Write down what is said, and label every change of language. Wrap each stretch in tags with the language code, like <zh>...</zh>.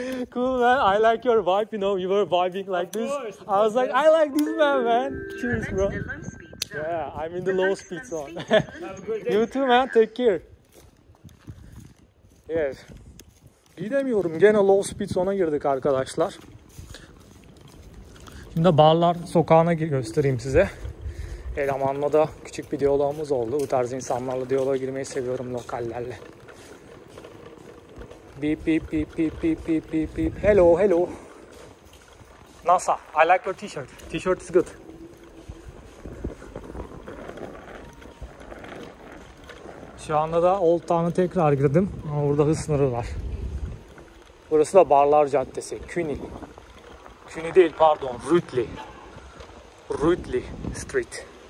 <en>Cool man, I like your vibe, you know, you were vibing like this. I was like, I like this man, man. Cheers, bro. Yeah, I'm in the low speed zone. You too, man, take care. Yes.</en> <tr>Gidemiyorum, gene low speed zone'a girdik arkadaşlar. Şimdi Barlar Sokağı'na göstereyim size. Elemanla da küçük bir diyalogumuz oldu. Bu tarz insanlarla diyaloğa girmeyi seviyorum, lokallerle.</tr> <en>Beep beep beep beep beep beep beep beep. Hello hello. NASA. I like your t-shirt. T-shirt is good.</en> <tr>Şu anda da Old Town'a tekrar girdim. Burada hız sınırı var. Burası da Barlar Caddesi. Cuny. Cuny değil, pardon. Rutley. Rutley Street.</tr>